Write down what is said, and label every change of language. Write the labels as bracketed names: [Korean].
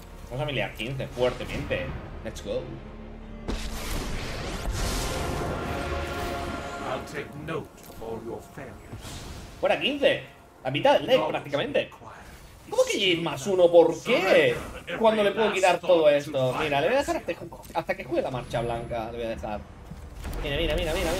[Spanish] Vamos a milear 15 fuertemente. [English] Let's go. I'll take note of all your failures. [Spanish] Fuera 15. La mitad del deck, prácticamente. ¿Cómo que Jin más uno? ¿Por qué? Cuando le puedo quitar todo esto. Mira, le voy a dejar hasta que juegue la marcha blanca. Le voy a dejar. Mira.